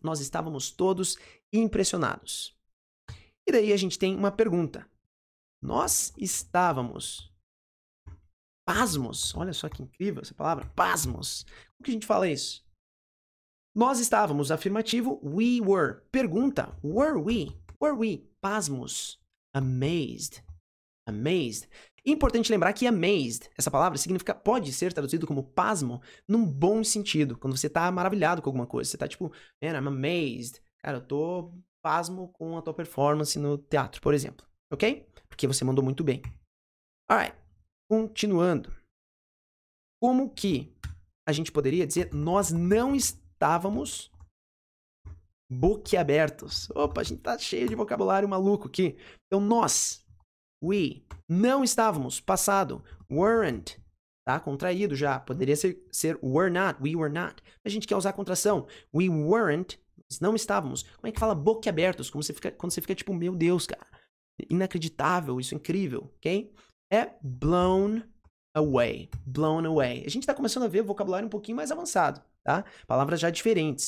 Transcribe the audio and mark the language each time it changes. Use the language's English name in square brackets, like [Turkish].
[Portuguese] Nós estávamos todos impressionados. E daí a gente tem uma pergunta. Nós estávamos. Pasmos, olha só que incrível essa palavra, pasmos. Como que a gente fala isso? Nós estávamos, afirmativo, [English] we were. [Portuguese] Pergunta, [English] were we, [Portuguese] pasmos, amazed, amazed. Importante lembrar que amazed, essa palavra significa, pode ser traduzido como pasmo num bom sentido, quando você está maravilhado com alguma coisa, você está tipo, [English] man, I'm amazed, [Portuguese] cara, eu tô pasmo com a tua performance no teatro, por exemplo, ok? Porque você mandou muito bem. Alright. Continuando, como que a gente poderia dizer nós não estávamos boquiabertos? Opa, a gente tá cheio de vocabulário maluco aqui. Então, nós, we, não estávamos, passado, weren't, tá? Contraído já. Poderia ser [English] were not, we were not. [Portuguese] A gente quer usar a contração. [English] We weren't, [Portuguese] não estávamos. Como é que fala boquiabertos? Quando você fica tipo, meu Deus, cara, inacreditável, isso é incrível, ok? é [English] blown away. Blown away. [Portuguese] A gente está começando a ver o vocabulário um pouquinho mais avançado, tá? Palavras já diferentes.